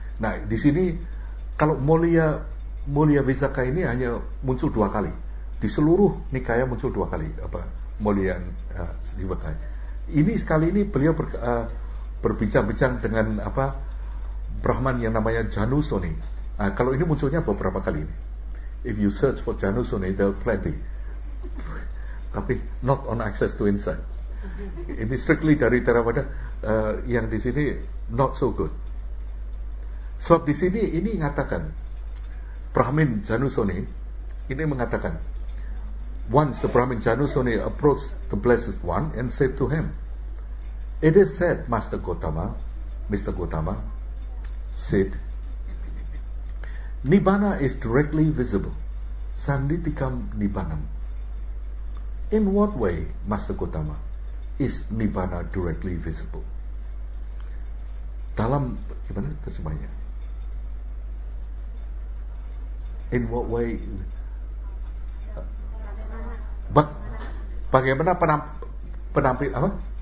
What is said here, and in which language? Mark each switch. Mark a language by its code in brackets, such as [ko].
[id] Nah, di sini kalau Mulya Visakha ini hanya muncul dua kali. Di seluruh nikaya muncul dua kali apa Mulya Visakha. Ini sekali ini beliau berbincang-bincang dengan apa Brahman yang namanya Janusoni. Kalau ini munculnya beberapa kali ini. [en] If you search for Janusoni there are plenty. [id] Tapi [en] not on access to insight. [id] Ini strictly dari Theravada, yang di sini [en] not so good. [id] Sebab di sini ini mengatakan [en] Brahmin Janusoni ini mengatakan, once the Brahmin Janusoni approached the Blessed One and said to him, It is said, Master Gotama, Mr. Gotama, said, Nibbana is directly visible. [pi] Sanditikam Nibbanam. [en] In what way, Master Gotama, is Nibbana directly visible? [id] Dalam, gimana terjemahnya? [en] In what way? [id] Bagaimana penampilan?